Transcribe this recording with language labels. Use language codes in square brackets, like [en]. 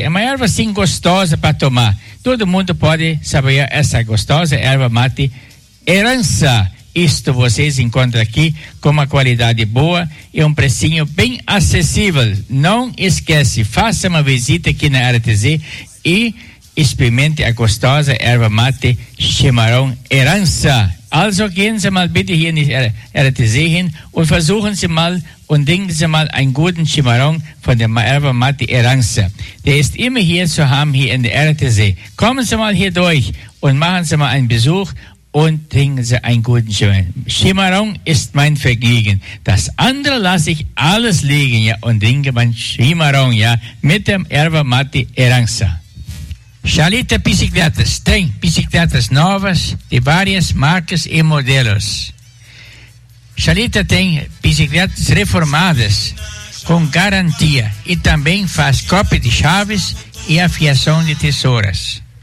[pt] É uma erva assim gostosa para tomar. Todo mundo pode saborear essa gostosa erva mate Herança. Isto vocês encontram aqui com uma qualidade boa e um precinho bem acessível. Não esquece, faça uma visita aqui na RTZ e experimente a gostosa erva mate chimarrão herança. [de] Also gehen Sie mal bitte hier in die RTZ hin und versuchen Sie mal und denken Sie mal einen guten Chimarrón von der Erva Mate Herança. Der ist immer hier zu haben, hier in der RTZ. Kommen Sie mal hier durch und machen Sie mal einen Besuch und trinken Sie einen guten Chimarrón. Chimarrón ist mein Vergnügen. Das andere lasse ich alles liegen, ja, und trinke mein Chimarrón, ja, mit dem Erva Mate Herança. [pt] Xalita Bicicletas tem bicicletas novas de várias marcas e modelos. Xalita tem bicicletas reformadas com garantia e também faz cópia de chaves e afiação de tesouras.